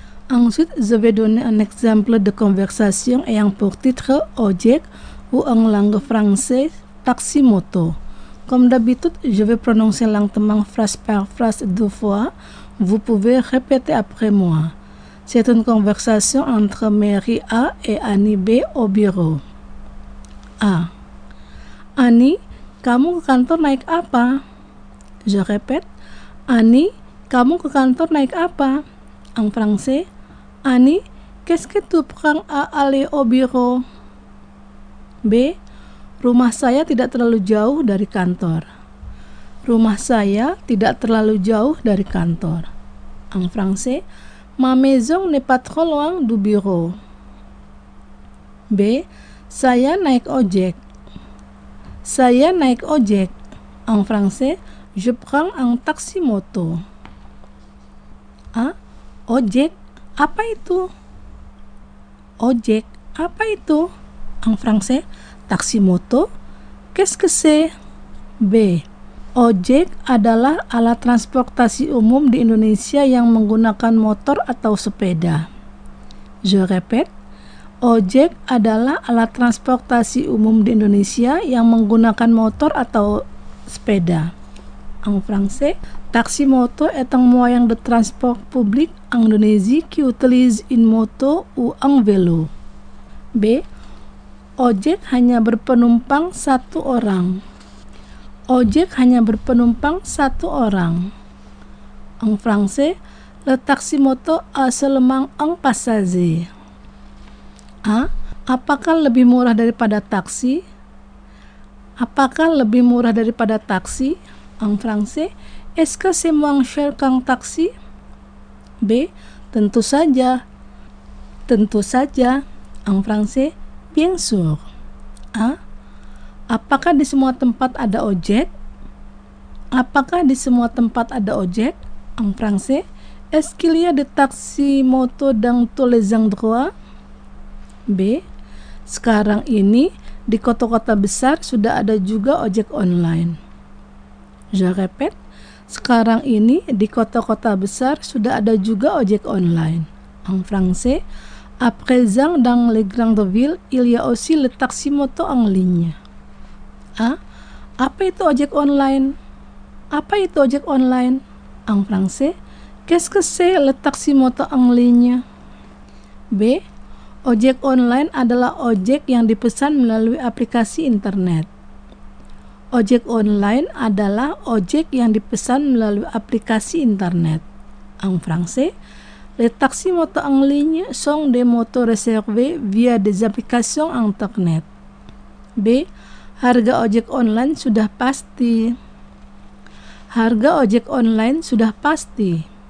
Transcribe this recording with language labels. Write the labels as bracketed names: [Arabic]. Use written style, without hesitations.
[French] Ensuite, je vais donner un exemple de conversation ayant pour titre Ojek ou en langue française taxi moto. Comme d'habitude, je vais prononcer lentement phrase par phrase deux fois. Vous pouvez répéter après moi. C'est une conversation entre Mary A et Annie B au bureau. A. [Indonesian] Annie, kamu ke kantor naik apa? [French] Je répète. [Indonesian] Annie, kamu ke kantor naik apa? [French] En français. Annie, qu'est-ce que tu prends à aller au bureau? B. [Indonesian] Rumah saya tidak terlalu jauh dari kantor. Rumah saya tidak terlalu jauh dari kantor. [French] En français, ma maison n'est pas trop loin du bureau. [Indonesian] B. Saya naik ojek. Saya naik ojek. [French] En français, je prends un taxi moto. A. [Indonesian] Ojek. Apa itu? Ojek, apa itu? [French] En français, taxi moto. Qu'est-ce que c'est? B. [Indonesian] Ojek adalah alat transportasi umum di Indonesia yang menggunakan motor atau sepeda. [French] Je répète. [Indonesian] Ojek adalah alat transportasi umum di Indonesia yang menggunakan motor atau sepeda. [French] En français, taxi moto est un moyen de transport public en Indonésie qui utilise une moto ou un vélo. B. [Indonesian] Ojek hanya berpenumpang satu orang. Ojek hanya berpenumpang satu orang. [French] En français, le taxi moto a seulement un passager. A. [Indonesian] Apakah lebih murah daripada taksi? Apakah lebih murah daripada taksi? [French] En français, est-ce que c'est moins cher qu'un taxi? [Indonesian] B. Tentu saja. Tentu saja. [French] En français, bien sûr. [Indonesian] A. Apakah di semua tempat ada ojek? Apakah di semua tempat ada ojek? [French] En français, est-ce qu'il y a des taxis moto dans tous les endroits? B. [Indonesian] Sekarang ini, di kota-kota besar sudah ada juga ojek online. [French] Je répète. [Indonesian] Sekarang ini, di kota-kota besar, sudah ada juga ojek online. [French] En français, à présent, dans les grandes villes, il y a aussi le taxi moto en ligne. A. [Indonesian] Apa itu ojek online? Apa itu ojek online? [French] En français, qu'est-ce que c'est le taxi moto en ligne? B. [Indonesian] Ojek online adalah ojek yang dipesan melalui aplikasi internet. Ojek online adalah ojek yang dipesan melalui aplikasi internet. [French] En français, les taxis moto en ligne sont des motos réservées via des applications internet. B. [Indonesian] Harga ojek online sudah pasti. Harga ojek online sudah pasti.